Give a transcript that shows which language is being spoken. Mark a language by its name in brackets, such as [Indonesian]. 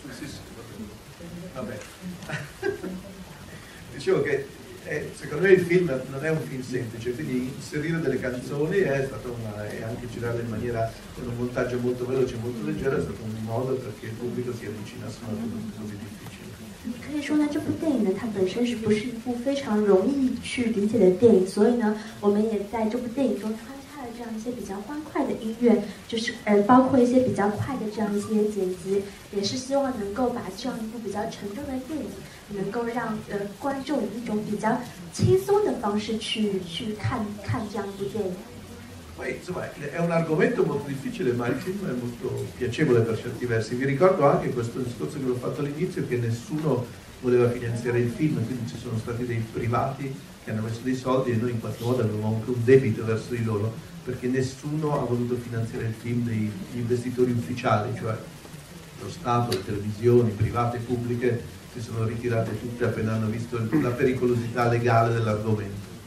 [Italian] Sì, sì, vabbè. Dicevo che secondo me il film non è un film semplice, quindi inserire delle canzoni è stato e anche girarle in maniera con un montaggio molto veloce, molto leggero, è stato un modo perché il pubblico si avvicinasse a un film così difficile. [Chinese] 你可以说呢，这部电影呢，它本身是不是一部非常容易去理解的电影？所以呢，我们也在这部电影中穿插了这样一些比较欢快的音乐，就是包括一些比较快的这样一些剪辑，也是希望能够把这样一部比较沉重的电影，能够让观众以一种比较轻松的方式去看这样一部电影。 [Italian] Poi, insomma, è un argomento molto difficile, ma il film è molto piacevole per certi versi. Vi ricordo anche questo discorso che l'ho fatto all'inizio, che nessuno voleva finanziare il film, quindi ci sono stati dei privati che hanno messo dei soldi e noi in qualche modo avevamo anche un debito verso di loro, perché nessuno ha voluto finanziare il film dei gli investitori ufficiali, cioè lo Stato, le televisioni private e pubbliche si sono ritirate tutte appena hanno visto la pericolosità legale dell'argomento.